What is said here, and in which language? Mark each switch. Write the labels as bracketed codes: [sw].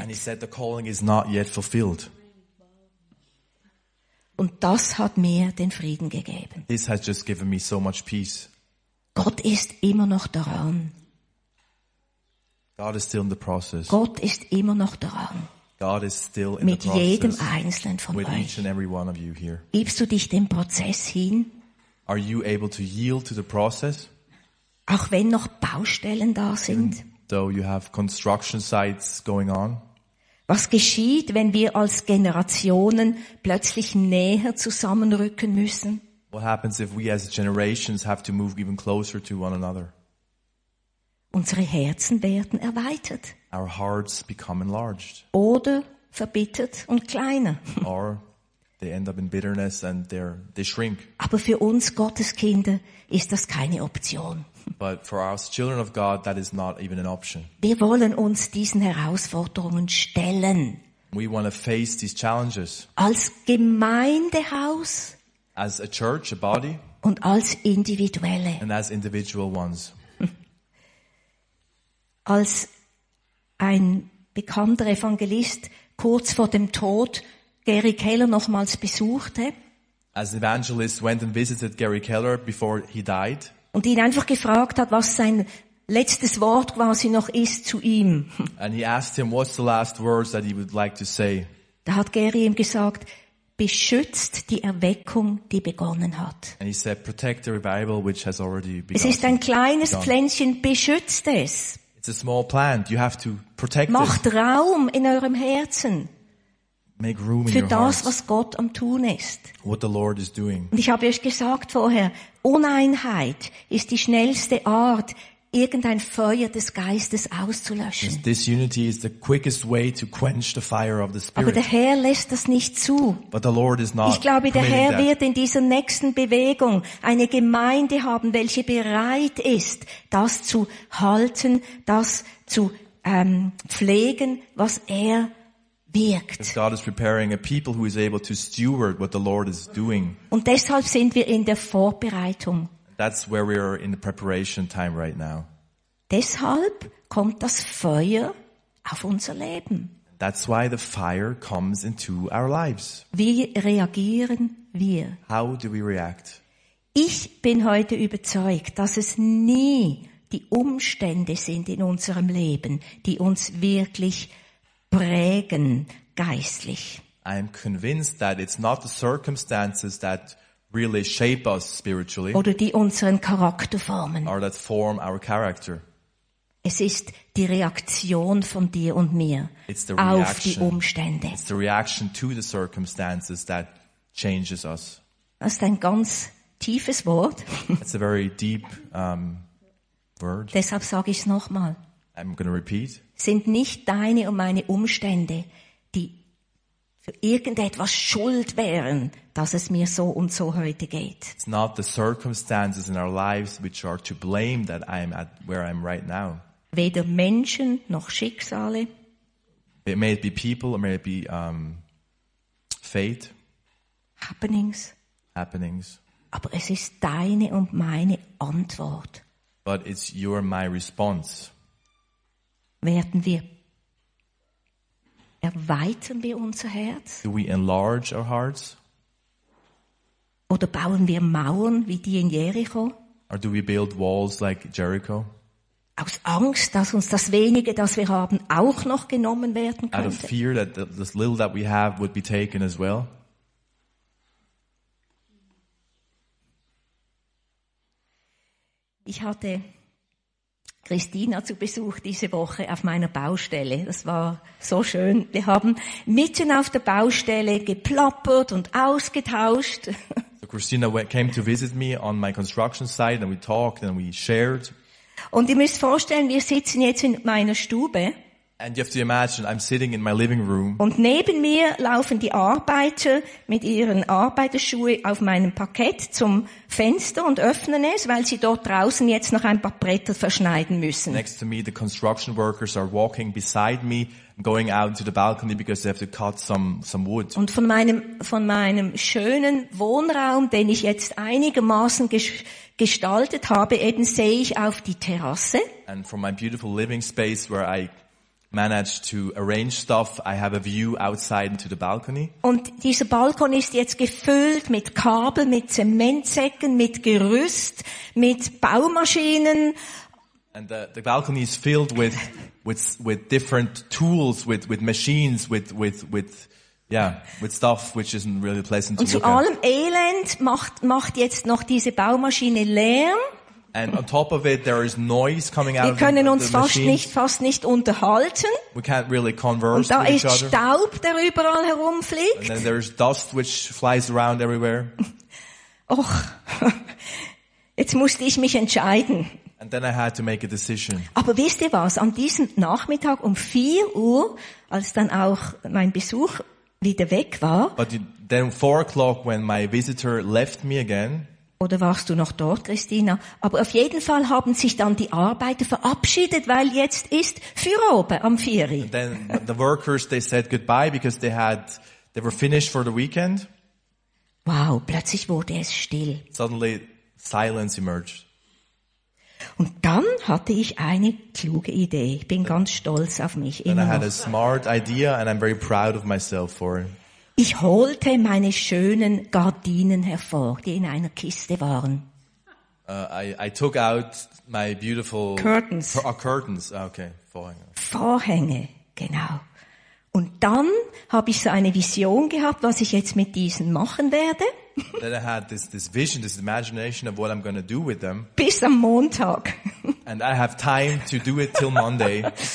[en] And he said, the calling is not yet fulfilled. [de] Und das hat mir den Frieden gegeben. [en] This has just given me so much peace. [de] Gott ist immer noch dran. [en] God is still in the process. [de] Gott ist immer noch dran. [en] God is still in [de] mit [en] the process. [de] Jedem Einzelnen von [en] with [de] euch. [en] Each and every one of you here. [de] Gibst du dich dem Prozess hin? [en] Are you able to yield to the process? [de] Auch wenn noch Baustellen da sind? [en] Even though you have construction sites going on? [de] Was geschieht, wenn wir als Generationen plötzlich näher zusammenrücken müssen? [en] What happens if we as generations have to move even closer to one another? [de] Unsere Herzen werden erweitert. [en] Our hearts become enlarged. [de] Oder verbittert und kleiner. [en] Or they end up in bitterness and they shrink. [de] Aber für uns Gottes Kinder ist das keine Option. [en] But for us children of God, that is not even an option. [de] Wir wollen uns diesen Herausforderungen stellen. [en] We want to face these challenges. [de] Als Gemeindehaus. [en] As a church, a body. [de] Und als Individuelle. [en] And as individual ones. [de] Als ein bekannter Evangelist kurz vor dem Tod Gary Keller nochmals besuchte. [en] As an evangelist went and visited Gary Keller before he died. [de] Und ihn einfach gefragt hat, was sein letztes Wort quasi noch ist zu ihm. [en] And he asked him, what's the last words that he would like to say? [de] Da hat Gary ihm gesagt, beschützt die Erweckung, die begonnen hat. [en] And he said, protect the revival which has already begun. [de] Es ist ein kleines Pflänzchen, beschützt es. [en] It's a small plant, you have to protect it. [de] Macht Raum in eurem Herzen. [en] Make room in [de] für [en] your [de] das, [en] hearts. [de] Was Gott am Tun ist. [en] What the Lord is doing. [de] Und ich habe euch gesagt vorher, Uneinheit ist die schnellste Art, irgendein Feuer des Geistes auszulöschen. [en] Disunity is the quickest way to quench the fire of the Spirit. [de] Aber der Herr lässt das nicht zu. [en] But the Lord is not. [de] Ich glaube, der Herr wird in dieser nächsten Bewegung eine Gemeinde haben, welche bereit ist, das zu halten, das zu pflegen, was er wirkt. [en] God is preparing a people who is able to steward what the Lord is doing. [de] Und deshalb sind wir in der Vorbereitung. [en] That's where we are in the preparation time right now. [de] Deshalb kommt das Feuer auf unser Leben. [en] That's why the fire comes into our lives. [de] Wie reagieren wir? [en] How do we react? [de] Ich bin heute überzeugt, dass es nie die Umstände sind in unserem Leben, die uns wirklich prägen geistlich. [en] I'm convinced that it's not the circumstances that really shape us spiritually. [de] Oder die unseren Charakter formen. [en] Or that form our character. [de] Es ist die Reaktion von dir und mir auf die Umstände. [en] It's the reaction to the circumstances that changes us. [de] Das ist ein ganz tiefes Wort. [en] It's a very deep word. [de] Deshalb sage ich es nochmal. [en] I'm going to repeat. [de] Sind nicht deine und meine Umstände, die für irgendetwas schuld wären, dass es mir so und so heute geht. [en] It's not the circumstances in our lives which are to blame that I am at where I am right now. [de] Weder Menschen noch Schicksale. [en] It may be people, it may be fate. Happenings. [de] Aber es ist deine und meine Antwort. [en] But it's your and my response. [de] Erweitern wir unser Herz? [en] Do we enlarge our hearts? [de] Oder bauen wir Mauern wie die in Jericho? [en] Or do we build walls like Jericho? [de] Aus Angst, dass uns das Wenige, das wir haben, auch noch genommen werden könnte. [en] Out of fear that this little that we have would be taken as well. [de] Ich hatte Christina zu Besuch diese Woche auf meiner Baustelle. Das war so schön. Wir haben mitten auf der Baustelle geplappert und ausgetauscht. [en] So Christina came to visit me on my construction site and we talked and we shared. [de] Und ihr müsst vorstellen, wir sitzen jetzt in meiner Stube. [en] And you have to imagine, I'm sitting in my living room. [de] Und neben mir laufen die Arbeiter mit ihren Arbeiterschuhen auf meinem Parkett zum Fenster und öffnen es, weil sie dort draußen jetzt noch ein paar Bretter verschneiden müssen. [en] Next to me, the construction workers are walking beside me, going out to the balcony because they have to cut some wood. [de] Und von meinem schönen Wohnraum, den ich jetzt einigermaßen gestaltet habe, eben sehe ich auf die Terrasse. [en] And from my beautiful living space where I managed to arrange stuff. I have a view outside into the balcony. [de] Und dieser Balkon ist jetzt gefüllt mit Kabel, mit Zementsäcken, mit Gerüst, mit Baumaschinen. [en] And the balcony is filled with different tools, with machines, with stuff which isn't really pleasant to look at. [de] Und zu allem Elend macht jetzt noch diese Baumaschine Lärm. [en] And on top of it, there is noise coming out of the machines. [de] Wir können uns fast nicht unterhalten. [en] We can't really converse with each other. [de] Und da ist Staub, der überall herumfliegt. [en] And then there's dust which flies around everywhere. [de] Och, jetzt musste ich mich entscheiden. [en] And then I had to make a decision. [de] Aber wisst ihr was? An diesem Nachmittag um 4 Uhr, als dann auch mein Besuch wieder weg war. [en] But then 4 o'clock when my visitor left me again. [de] Oder warst du noch dort, Christina? Aber auf jeden Fall haben sich dann die Arbeiter verabschiedet, weil jetzt ist Feierabend am 4. [en] And then the workers, they said goodbye because they were finished for the weekend. [de] Wow, plötzlich wurde es still. [en] Suddenly silence emerged. [de] Und dann hatte ich eine kluge Idee. Ich bin ganz stolz auf mich. [en] And I had a smart idea and I'm very proud of myself for it. [de] Ich holte meine schönen Gardinen hervor, die in einer Kiste waren. [en] I took out my beautiful curtains. Curtains. Okay, [de] Vorhänge. Vorhänge, genau. Und dann habe ich so eine Vision gehabt, was ich jetzt mit diesen machen werde. [en] Then I had this vision, this imagination of what I'm going to do with them. [de] Bis am Montag. [en] And I have time to do it till Monday.